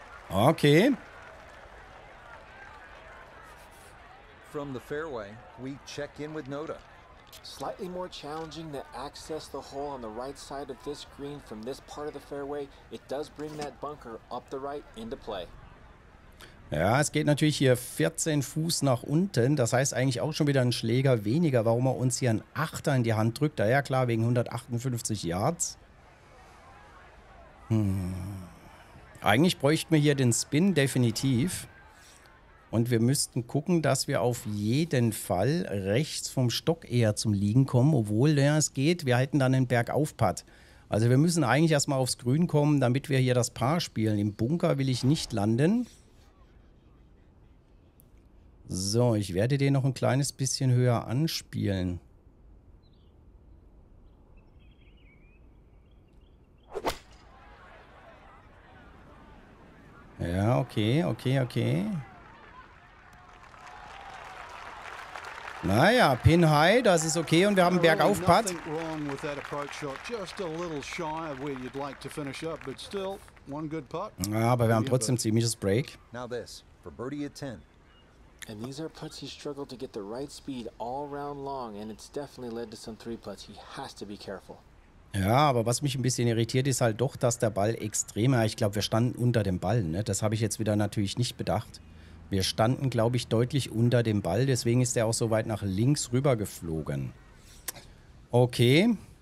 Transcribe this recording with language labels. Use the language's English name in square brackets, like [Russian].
[English] Okay. From the fairway, we check in with Noda. Slightly more challenging to access the hole on the right side of this green from this part of the fairway. It does bring that bunker up the right into play. [German] Ja, es geht natürlich hier 14 Fuß nach unten. Das heißt eigentlich auch schon wieder ein Schläger weniger, warum er uns hier einen Achter in die Hand drückt. Ja, klar, wegen 158 Yards. Eigentlich bräuchten wir hier den Spin definitiv. Und wir müssten gucken, dass wir auf jeden Fall rechts vom Stock eher zum Liegen kommen. Obwohl, ja, es geht, wir hätten dann einen Bergauf-Putt. Also wir müssen eigentlich erstmal aufs Grün kommen, damit wir hier das Paar spielen. Im Bunker will ich nicht landen. So, ich werde den noch ein kleines bisschen höher anspielen. Ja, okay, okay, okay. Naja, Pin High, das ist okay und wir haben einen Bergauf-Putt. [English] Nothing wrong with that approach shot. Just a little shy of where you'd like to finish up, but still one good putt. [German] Ja, aber wir haben trotzdem ziemliches Break. [English] Now this, for birdie at 10. And these are putts he struggled to get the right speed all round long and it's definitely led to some three putts. He has to be careful. [German] Ja, aber was mich ein bisschen irritiert, ist halt doch, dass der Ball extrem, ich glaube, wir standen unter dem Ball, ne? Das habe ich jetzt wieder natürlich nicht bedacht. Wir standen, glaube ich, deutlich unter dem Ball, deswegen ist er auch so weit nach links rüber geflogen. Okay.